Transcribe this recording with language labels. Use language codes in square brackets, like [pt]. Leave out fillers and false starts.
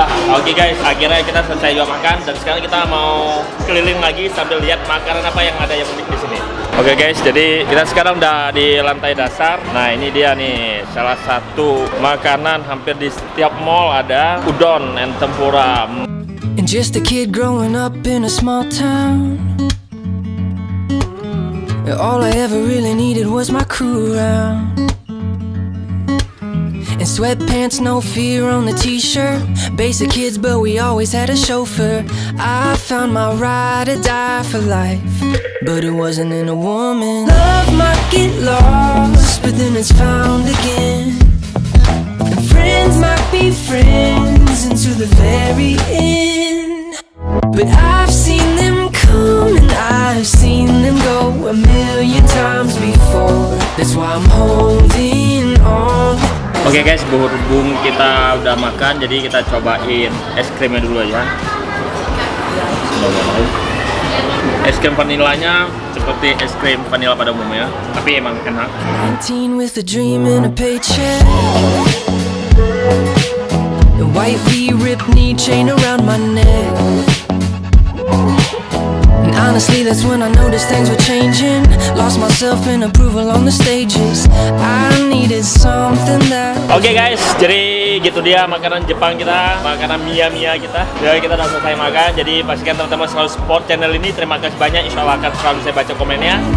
[id] Oke guys, akhirnya kita selesai juga makan. Dan sekarang kita mau keliling lagi sambil lihat makanan apa yang ada yang unik di sini. Oke guys, jadi kita sekarang udah di lantai dasar. Nah ini dia nih, salah satu makanan hampir di setiap mall ada. [en] Udon and tempura. And just a kid growing up in a small town. All I ever really needed was my crew around. And sweatpants, no fear on the t-shirt. Basic kids, but we always had a chauffeur. I found my ride or die for life, but it wasn't in a woman. Love might get lost, but then it's found again. And friends might be friends until the very end. But I've seen them come and I've seen them go a million times before. That's why I'm holding on. [id] Oke okay guys, berhubung kita udah makan, jadi kita cobain es krimnya dulu aja. Es krim vanilanya seperti es krim vanila pada umumnya, tapi emang enak. [en] With a dream and a paycheck. White V-ripped knee chain around my neck. Honestly, that's when I noticed things were changing. Lost myself in approval on the stages. I needed something that. [id] Okay guys, jadi gitu dia makanan Jepang kita, makanan mia-mia kita. Jadi kita udah selesai makan. Jadi pastikan teman-teman selalu support channel ini. Terima kasih banyak. Insya Allah akan selalu saya baca komennya.